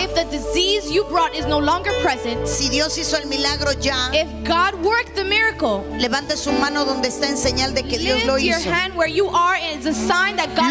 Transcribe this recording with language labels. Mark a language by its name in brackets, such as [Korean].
[English] if the disease you brought is no longer present, [Spanish] si Dios hizo el milagro ya, [English] if God worked the miracle, [Spanish] levante su mano donde está en señal de que Dios lo hizo. [English] Lift your hand where you are and it's a sign that God did.